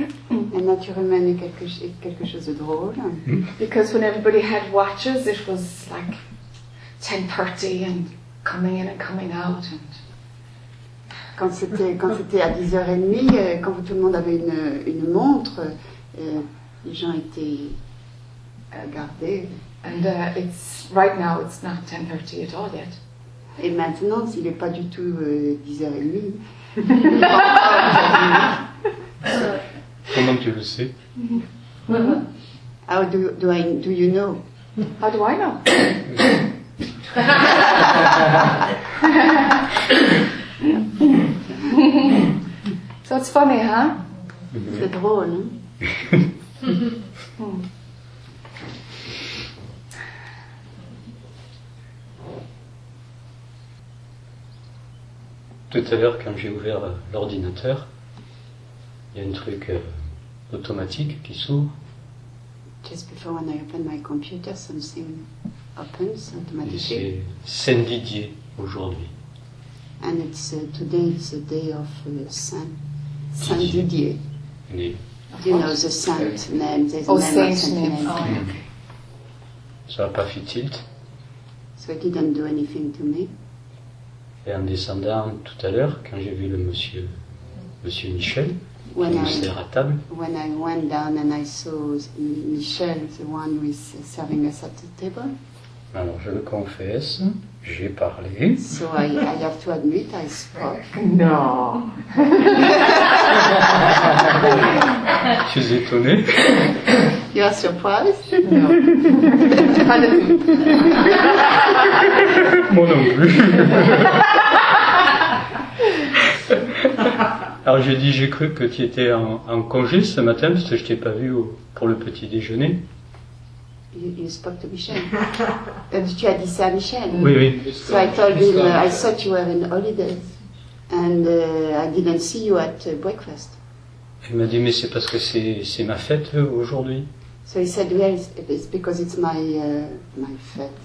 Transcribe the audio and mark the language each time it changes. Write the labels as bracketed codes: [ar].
[fr] La nature humaine est quelque chose de drôle. [en] Because when everybody had watches, it was like 10:30 and coming in and coming out. And [fr] quand c'était à 10h30, quand tout le monde avait une montre, les gens étaient gardés. [en] And it's right now it's not 10:30 at all yet. [fr] Et maintenant, il n'est pas du tout 10h30. Comment tu le sais? [en] Mm-hmm. How do you know? How do I know? So it's funny, huh? Mm-hmm. [fr] C'est drôle, hein? Tout à l'heure, quand j'ai ouvert l'ordinateur, il y a un truc automatique qui s'ouvre. [en] Just before when I opened my computer, something opens automatically. [fr] Et c'est Saint Didier aujourd'hui. [en] And it's today is the day of Saint Didier. Didier. You know the saint name. [fr] Ça n'a pas fait tilt. [en] So it didn't do anything to me. [fr] Et en descendant tout à l'heure, quand j'ai vu le monsieur Michel. [en] When I went down and I saw Michel, the one who is serving us at the table. [fr] Alors je le confesse, j'ai parlé. [en] So I have to admit I spoke. No. [fr] Je suis étonné. [en] You are surprised? No. [fr] Moi non plus. Alors j'ai dit, j'ai cru que tu étais en congé ce matin parce que je t'ai pas vu pour le petit déjeuner. [en] You spoke to Michel. [fr] Tu as dit ça à Michel. Oui, oui. [en] So I told him, I thought you were in holidays and I didn't see you at breakfast. [fr] Il m'a dit, mais c'est parce que c'est ma fête aujourd'hui. [en] So he said, well, it's because it's my fête.